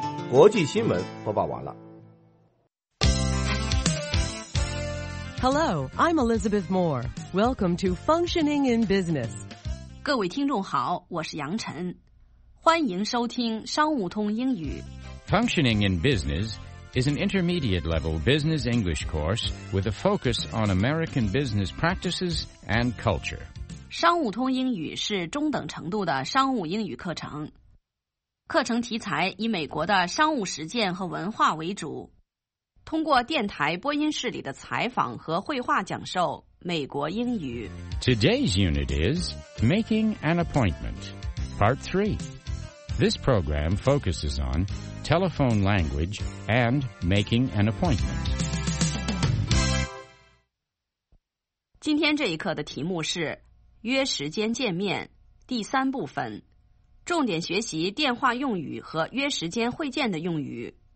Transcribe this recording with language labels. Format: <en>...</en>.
<zh>国际新闻播报完了。</zh> <en>Hello, I'm Elizabeth Moore. Welcome to Functioning in Business.</en> <zh>各位听众好，我是杨晨，欢迎收听商务通英语。</zh> <en>Functioning in Business is an intermediate level business English course with a focus on American business practices and culture.</en> <zh>商务通英语是中等程度的商务英语课程。课程题材以美国的商务实践和文化为主，通过电台播音室里的采访和绘画讲授美国英语。</zh> <en>Today's unit is Making an Appointment, Part 3. This program focuses on telephone language and making an appointment.</en> <zh>今天这一课的题目是约时间见面第三部分，重点学习电话用语和约时间会见的用语。</zh>